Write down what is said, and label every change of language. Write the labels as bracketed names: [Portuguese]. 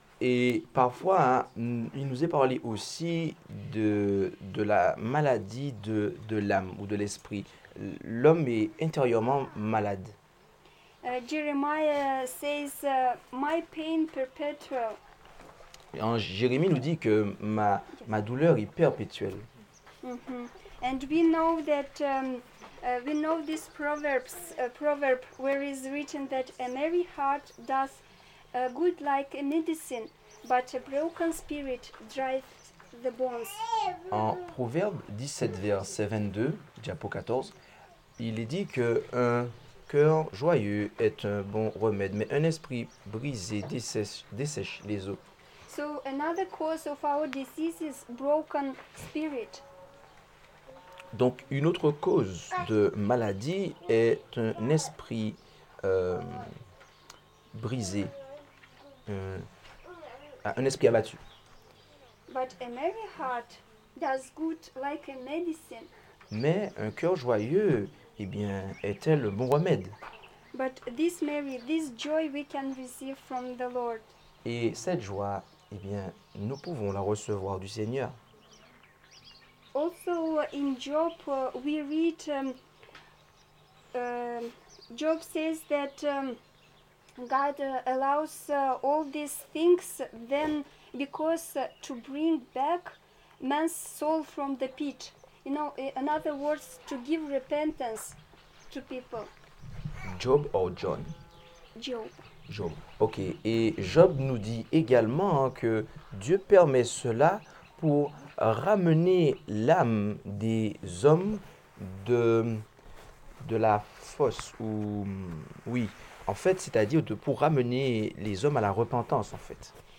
[French] Et parfois, il nous est parlé aussi de la maladie de l'âme ou de l'esprit. L'homme est intérieurement malade. [English] Jeremiah says, my pain perpetual. [French] Jérémie nous dit que ma douleur est perpétuelle. Mm-hmm. [English] And we know that we know this proverb where is written that a merry heart does good like a medicine. But a broken spirit drives the bones. [French] En Proverbe 17, verset 22, diapo 14, il est dit que un cœur joyeux est un bon remède, mais un esprit brisé dessèche les os. [English] So another cause of our disease is broken spirit. [French] Donc une autre cause de maladie est un esprit brisé. Un esprit abattu. [English] But a merry heart does good like a medicine. [French] Mais un cœur joyeux, eh bien, est-elle le bon remède? [English] But this merry, this joy we can receive from the Lord. [French] Et cette joie, eh bien, nous pouvons la recevoir du Seigneur. [English] Also in Job, we read, Job says that God allows all these things then because to bring back man's soul from the pit. You know, in other words, to give repentance to people. Job or John? Job. Job. Ok. [French] Et Job nous dit également que Dieu permet cela pour ramener l'âme des hommes de la fosse. Oui. En fait, c'est-à-dire de pour ramener les hommes à la repentance, en fait.